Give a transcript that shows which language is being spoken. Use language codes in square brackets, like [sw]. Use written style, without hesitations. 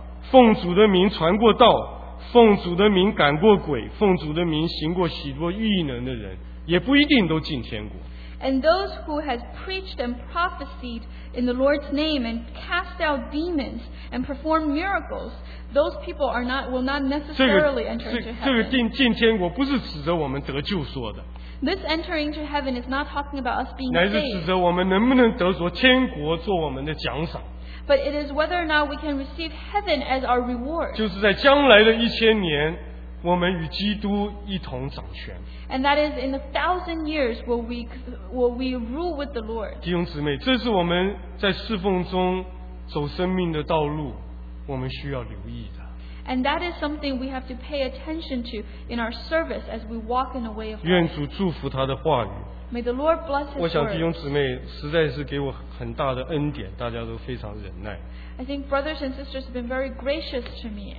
[zh] 奉主的名传过道，奉主的名赶过鬼，奉主的名行过许多异能的人，也不一定都进天国。 [en] And those who have preached and prophesied in the Lord's name and cast out demons and performed miracles, those people will not necessarily enter into heaven. [zh] 这个进天国不是指着我们得救说的。 [en] This entering to heaven is not talking about us being saved. [zh] 乃是指着我们能不能得着天国做我们的奖赏。 [en] But it is whether or not we can receive heaven as our reward. [zh] 就是在将来的1000年, 我们与基督一同掌权。 [en] And that is in 1000 years will we rule with the Lord. [zh] 弟兄姊妹, 这是我们在侍奉中走生命的道路, 我们需要留意的。 [en] And that is something we have to pay attention to in our service as we walk in the way of God. [zh] 愿主祝福他的话语。 [en] May the Lord bless his [zh] 我想弟兄姊妹, 实在是给我很大的恩典, 大家都非常忍耐。 [en] I think brothers and sisters have been very gracious to me.